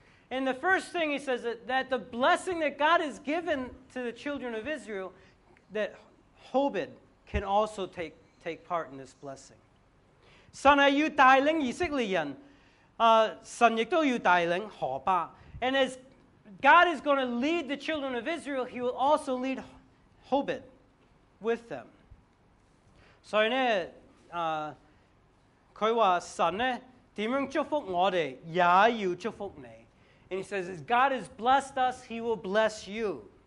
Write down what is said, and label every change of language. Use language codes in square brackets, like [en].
[en] And the first thing he says is that the blessing that God has given to the children of Israel, that Hobit can also take part in this blessing. [zh] 神要带领以色列人, 神也要带领何巴。 [en] And as God is going to lead the children of Israel, he will also lead Hobit with them. [zh] 所以呢, 他说神怎样祝福我们也要祝福你。 [en] And he says, as God has blessed us, he will bless you.